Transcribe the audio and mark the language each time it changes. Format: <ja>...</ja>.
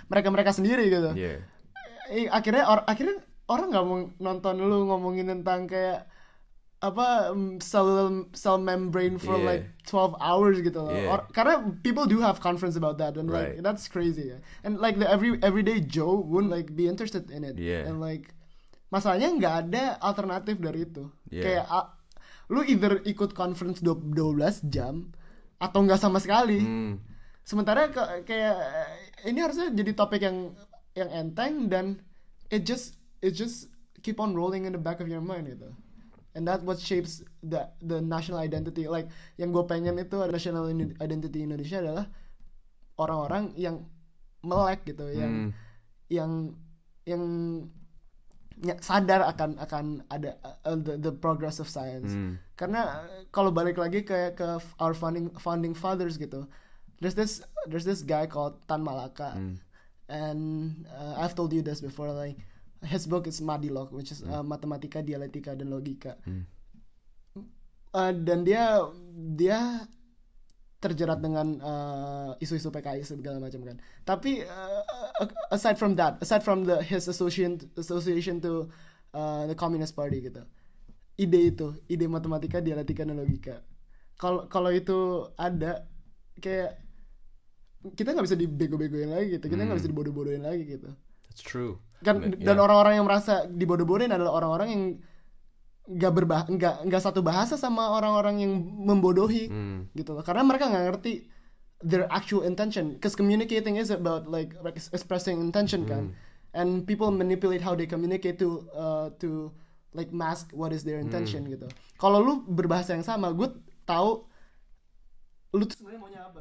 <id>Mereka sendiri gitu. Akhirnya orang nggak mau nonton lu ngomongin tentang kayak apa cell membrane</id> <en>for like 12 hours</en> <id>gitu loh. Karena</id> <en>people do have conference about that and like that's crazy. And like the everyday Joe wouldn't like be interested in it. And like,</en> <id>masalahnya gak ada alternatif dari itu. Kayak lu</id> <en>either</en> <id>ikut conference 12 jam atau gak sama sekali. Sementara kayak ini harusnya jadi topik yang enteng, dan</id> <en>it just keep on rolling in the back of your mind</en> <id>gitu.</id> <en>And that what shapes the national identity. Like,</en> <id>yang gue pengen itu national identity Indonesia adalah orang-orang yang melek gitu, yang sadar akan ada</id> <en>the progress of science.</en> <id>Karena kalau balik lagi ke</id> <en>our founding fathers gitu, there's this guy called Tan Malaka, and I've told you this before, like, his book is Madilog, which is</en> <id>matematika, dialektika, dan logika. Dan dia terjerat dengan isu-isu PKI segala macam kan. Tapi</id> <en>aside from his association to the Communist Party</en> <id>gitu, ide matematika, dialektika, dan logika. Kalau itu ada, kayak kita nggak bisa dibego-begoin lagi gitu. Kita nggak bisa dibodoh-bodohin lagi gitu.</id> <en>That's true.</en> <id>Kan, dan orang-orang yang merasa dibodoh-bodohin adalah orang-orang yang gak satu bahasa sama orang-orang yang membodohi gitu loh. Karena mereka gak ngerti</id> <en>their actual intention, because communicating is about like expressing intention</en> <id>kan,</id> <en>and people manipulate how they communicate to like mask what is their intention gitu.</en> <id>Kalau lu berbahasa yang sama, gue tahu lu tuh sebenarnya maunya apa.</id>